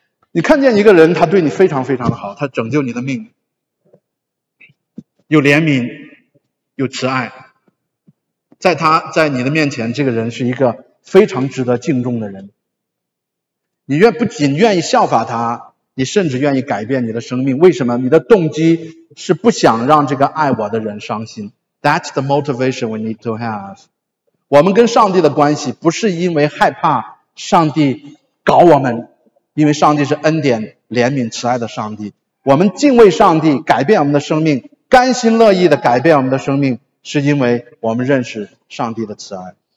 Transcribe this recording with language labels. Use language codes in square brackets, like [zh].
[zh] 你看见一个人他对你非常非常的好，他拯救你的命，有怜悯，有慈爱，在他在你的面前，这个人是一个非常值得敬重的人。你愿不仅愿意效法他，你甚至愿意改变你的生命。为什么？你的动机是不想让这个爱我的人伤心。 [en] That's the motivation we need to have。 [zh] 我们跟上帝的关系不是因为害怕上帝搞我们，因为上帝是恩典、怜悯、慈爱的上帝。我们敬畏上帝，改变我们的生命。甘心乐意的改变我们的生命，是因为我们认识上帝的慈爱。